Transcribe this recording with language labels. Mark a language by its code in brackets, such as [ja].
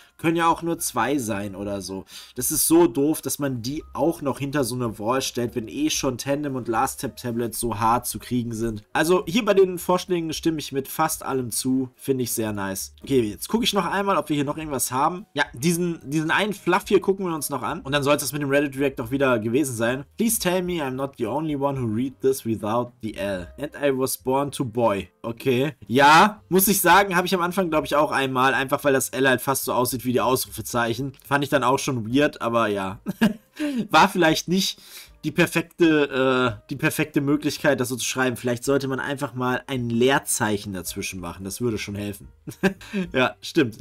[de] Können ja auch nur 2 sein oder so. Das ist so doof, dass man die auch noch hinter so eine Wall stellt, wenn eh schon Tandem- und Last-Tap-Tablets so hart zu kriegen sind. Also hier bei den Vorschlägen stimme ich mit fast allem zu. Finde ich sehr nice. Okay, jetzt gucke ich noch einmal, ob wir hier noch irgendwas haben. Ja, diesen einen Fluff hier gucken wir uns noch an. Und dann soll es das mit dem Reddit-React auch wieder gewesen sein. [en] Please tell me I'm not the only one who read this without the L. And I was born to boy. Okay. [de] Ja, muss ich sagen, habe ich am Anfang, glaube ich, auch einmal. Einfach, weil das L halt fast so aussieht wie die Ausrufezeichen. Fand ich dann auch schon weird, aber ja. War vielleicht nicht die perfekte Möglichkeit, das so zu schreiben. Vielleicht sollte man einfach mal ein Leerzeichen dazwischen machen. Das würde schon helfen. Ja, stimmt.